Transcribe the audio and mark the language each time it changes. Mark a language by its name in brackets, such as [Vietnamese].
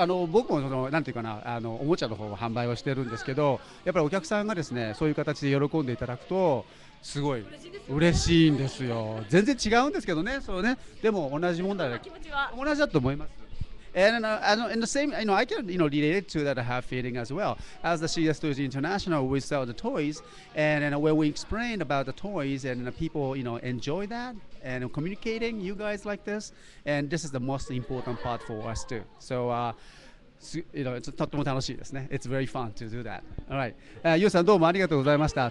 [Japanese] 僕もその、なんていうかな、おもちゃの方を販売をしてるんですけど、やっぱりお客さんがですね、そういう形で喜んでいただくと、すごい嬉しいんですよ。全然違うんですけどね、そうね、でも同じ問題で、同じだと思います。 [English] And I can relate to that I have feeling as well. As the CSTOYS International, we sell the toys, and when we explain about the toys, and people enjoy that, and communicating you guys like this, and this is the most important part for us too. [Japanese] So, とても楽しいですね。 [English] It's very fun to do that. All right. [Japanese] Yu さんどうもありがとうございました。